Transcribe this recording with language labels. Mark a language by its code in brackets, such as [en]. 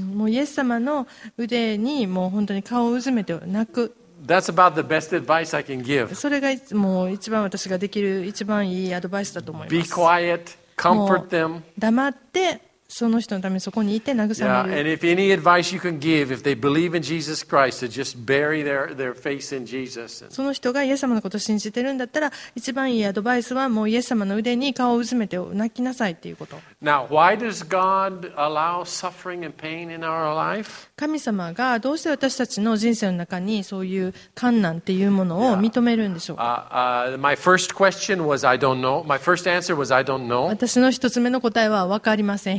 [ja] もうイエス様の腕にもう本当に顔をうずめて泣く。 [en] That's about the best advice I can give. [ja] それがもう一番私ができる一番いいアドバイスだと思います。 [en] Be quiet, comfort them. [ja] 黙って。その人のためにそこにいて慰める。 [en] Yeah, and if any advice you can give, if they believe in Jesus Christ, to just bury their face in Jesus. [ja] その人がイエス様のことを信じてるんだったら、一番いいアドバイスはもうイエス様の腕に顔をうずめて泣きなさいっていうこと。 [en] Now, why does God allow suffering and pain in our life? [ja] 神様がどうして私たちの人生の中にそういう困難っていうものを認めるんでしょうか。 [en] My first question was I don't know. My first answer was I don't know. [ja] 私の一つ目の答えは分かりません。